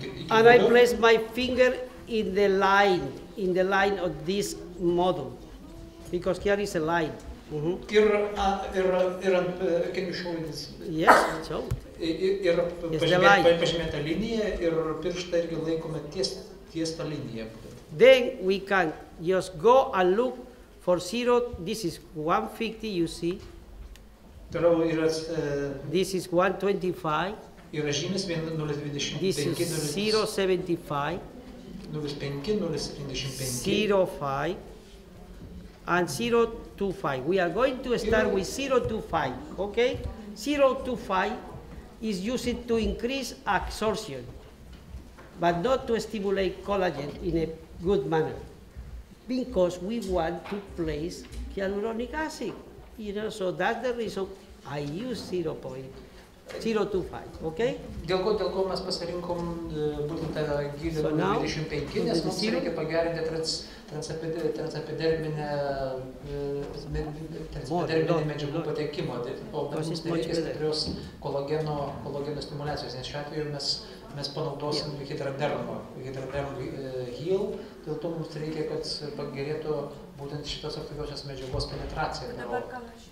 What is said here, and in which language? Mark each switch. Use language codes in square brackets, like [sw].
[en] And I place my finger in the line, of this model, because here is a line. Can you show this? Yes, so. [lt] Pažymėta linija ir pirštą irgi laikome tiesa linija. [en] Then we can just go and look for zero. This is 150, you see. This is 125. [lt] Yra žymės [en] 0.25 We are going to start with 0.25, okay? 0.25 is used to increase absorption, but not to stimulate collagen in a good manner, because we want to place hyaluronic acid. You know, so that's the reason I use 0.025, okay? [lt] Dėl ko mes pasirinkom būtent tą gydymą 25, nes mums reikia pagerinti transepiderminę medžiagų patekimo, o mums reikia stiprios kolageno stimuliacijos, nes šiuo atveju mes panaudosim hidradermo heal, dėl to mums reikia, kad pagerėtų būtent šitos aktyviosios medžiagos penetracija.